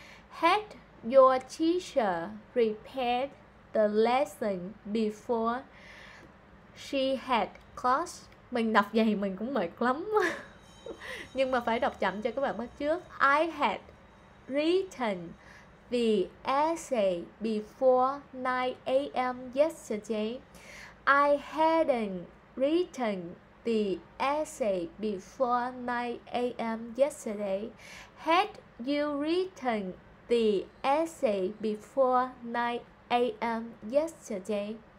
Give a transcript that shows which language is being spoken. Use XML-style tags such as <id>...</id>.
<en>Had your teacher prepared the lesson before she had class?</en> <vi>Mình đọc dày mình cũng mệt lắm. Nhưng mà phải đọc chậm cho các bạn bắt chước.</vi> <en>I had written the essay before 9 a.m. yesterday. I hadn't written the essay before 9 a.m. yesterday. Had you written the essay before 9 a.m. yesterday?</en>